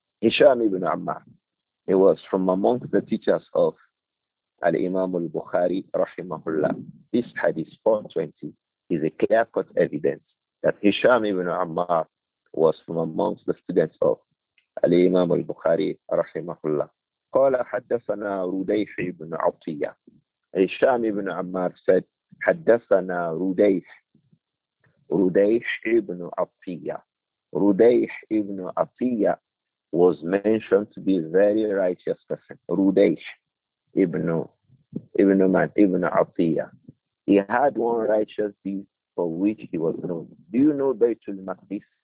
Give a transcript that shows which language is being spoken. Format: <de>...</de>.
<en>Hisham ibn Ammar. He was from among the teachers of Al-Imam al-Bukhari, rahimahullah. This hadith 420 is a clear-cut evidence that Hisham ibn Ammar was from among the students of Al-Imam al-Bukhari, rahimahullah.</en> <ar>قال حدثنا رديح بن عطية. هشام بن عمار</ar> <en>said</en> <ar>حدثنا رديح. رديح بن عطية.</ar> <en>رديح بن عطية was mentioned to be a very righteous person.</en> <ar>رديح ابن عطية.</ar> <en>He had one righteous deed for which he was known. Do you know بيت المقدس?</en>